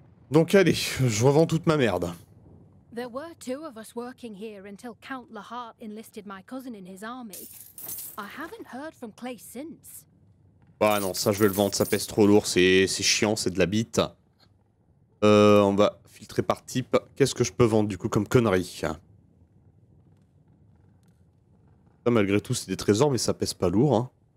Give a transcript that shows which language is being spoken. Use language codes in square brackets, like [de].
[fr] Donc allez, je revends toute ma merde. [en] There were 2 of us working here until Count Lahart enlisted my cousin in his army. I haven't heard from Clay since. [fr] Bah non, ça je vais le vendre, ça pèse trop lourd, c'est chiant, c'est de la bite. On va filtrer par type. Qu'est-ce que je peux vendre du coup comme connerie? Ça, malgré tout, c'est des trésors, mais ça pèse pas lourd. Hein.